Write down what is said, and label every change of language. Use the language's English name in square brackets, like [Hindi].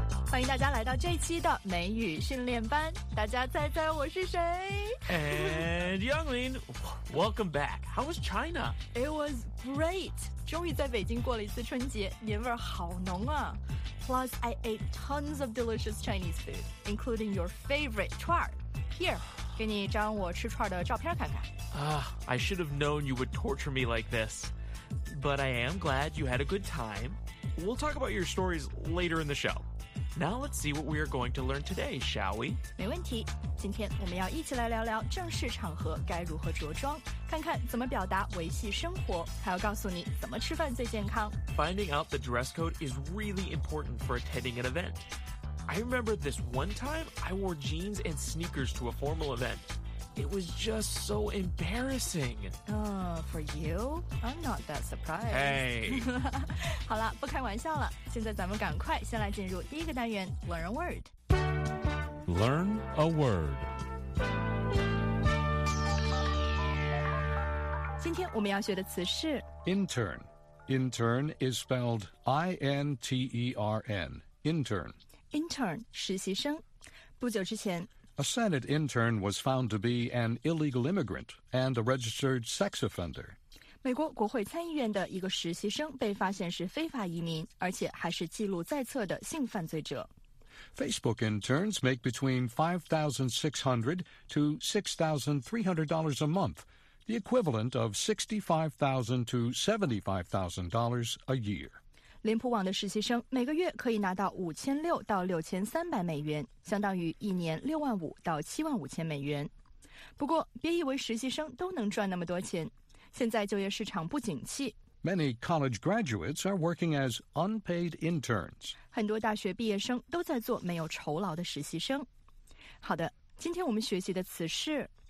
[Chinese] 欢迎大家来到这一期的美语训练班。大家猜猜我是谁 [English] ？And Yanglin, welcome back. How was China? It was great. [Chinese] 终于在北京过了一次春节，年味好浓啊！ [English] Plus, I ate tons of delicious Chinese food, including your favorite 串儿. Here, [Chinese] 给你一张我吃串儿的照片看看。 [English] I should have known you would torture me like this. But I am glad you had a good time. We'll talk about your stories later in the show. Now let's see what we are going to learn today, shall we? [Chinese] 没问题。今天我们要一起来聊聊正式场合该如何着装，看看怎么表达维系生活，还要告诉你怎么吃饭最健康。 [English] Finding out the dress code is really important for attending an event. I remember this one time I wore jeans and sneakers to a formal event. It was just so embarrassing. For you? I'm not that surprised. Hey! [Chinese] 好了，不开玩笑了。现在咱们赶快先来进入第一个单元 [English] Learn a Word. Learn a Word. [Chinese] 今天我们要学的词是 [English] Intern. Intern is spelled I-N-T-E-R-N. Intern. [Chinese] Intern, 实习生。不久之前 [English] A Senate intern was found to be an illegal immigrant and a registered sex offender. [Chinese] 美国国会参议院的一个实习生被发现是非法移民，而且还是记录在册的性犯罪者。 [English] Facebook interns make between $5,600 to $6,300 a month, the equivalent of $65,000 to $75,000 a year. [Chinese] 脸谱网的实习生每个月可以拿到5600到6300美元，相当于一年65000到75000美元。不过，别以为实习生都能赚那么多钱。现在就业市场不景气。 [English] Many college graduates are working as unpaid interns. [Chinese] 很多大学毕业生都在做没有酬劳的实习生。好的，今天我们学习的词是